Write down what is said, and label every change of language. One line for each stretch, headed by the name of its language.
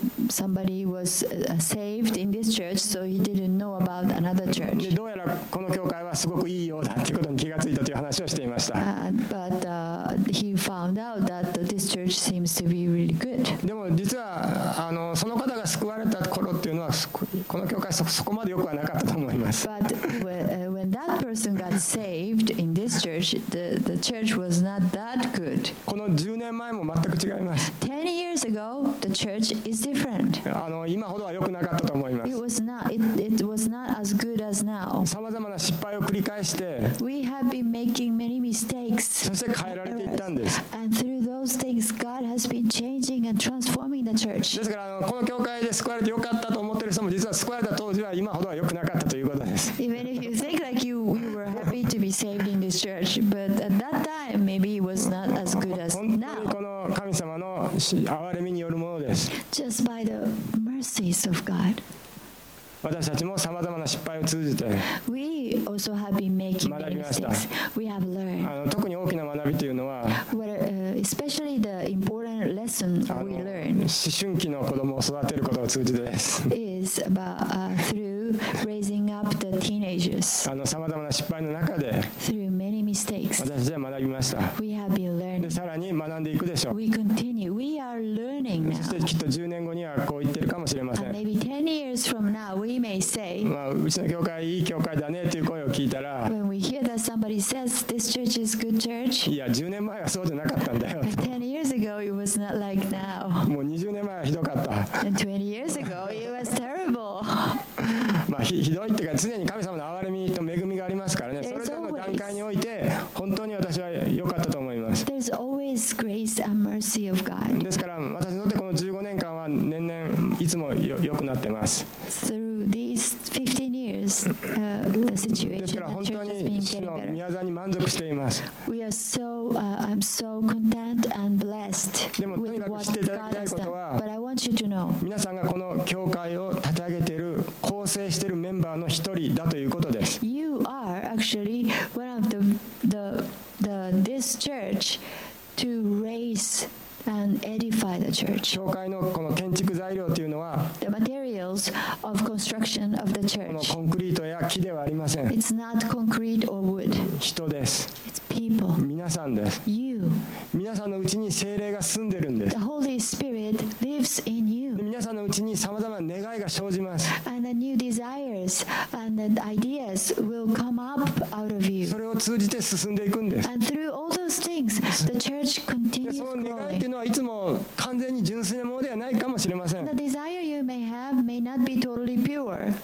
English: Somebody was saved in this church, so he didn't know about another church.
Japanese: どうやらこの教会はすごくいいようだってことに気がついたという話をしていました。
English: But he found out that this church seems to be really good.
Japanese: でも実はその方が救われた頃っていうのはこの教会そこまで良くはなかったと思います。
English: But when that person got saved in this church, the church was not that good.
Japanese: この10年前も全く違います。
English: 10 years ago, the church is different.
Japanese: 今ほどは良くなかったと思います。
English: it was not as good as now.
Japanese: 様々な失敗を繰り返して
English: We have been making many mistakes.
Japanese: そして変えられていったんです。
English: And through those things, God has been changing and transforming the church.
Japanese: ですからこの教会で救われて良かったと思っている人も実は救われた当時は今ほどは良くなかったということです。
English: Even if you think like you were happy to be saved in this church, but at that time maybe it was not as good as now.
Japanese: 本当にこの神様の憐れみによるものです。
English: Just by the mercies of God.
Japanese: 私たちもさまざまな失敗を通じて
English: We also have been making mistakes. We have learned.
Japanese: 特に大きな学びというのは
English: especially the important lesson we learn.
Japanese: 思春期の子供を育てることを通じてです。
English: Is about through raising up the teenagers.
Japanese: さまざまな失敗の中で
English: through many mistakes.
Japanese: 私たちは学びました。
English: We have been learning.
Japanese: さらに学んでいくでしょう。
English: We continue. We are learning now.
Japanese: そしてきっと10年後にはこう言ってるかもしれません。
English: Maybe 10 years from now. We may say,
Japanese: うちの教会いい教会だねという声を聞いたら
English: When we hear that somebody says this church is good church,
Japanese: いや10年前はそうじゃなかったんだよ。
English: 10 years ago it was not like now.
Japanese: もう20年前はひどかった。
English: And 20 years ago it was terrible.
Japanese: ひどいっていうか常に神様の憐れみと恵みがありますからね。それぞれの段階において本当に私は良かったと思います。
English: There's always grace and mercy of God.
Japanese: ですから私にとってこの15年間は年々いつも良くなってます。
English: Through these 15 years, the situation in the church has been getting better. We are so content and blessed with what God has done. But I want you to know, you are actually one of the this church to raise. And edify the church.
Japanese: 教会のこの建築材料というのは
English: The materials of construction of the church.
Japanese: このコンクリートや木ではありません。
English: It's not concrete or wood.
Japanese: 人です。
English: It's people.
Japanese: 皆さんです。
English: You.
Japanese: 皆さんのうちに聖霊が住んでるんです。
English: The Holy Spirit lives in you.
Japanese: 皆さんのうちにさまざまな願いが生じます。
English: And the new desires and the ideas will come up out of you.
Japanese: それを通じて進んでいくんです。
English: And through all those things, the church continues growing.
Japanese: っていうのはいつも完全に純粋なものではないかもしれません。
English: The desire you may have may not be totally pure.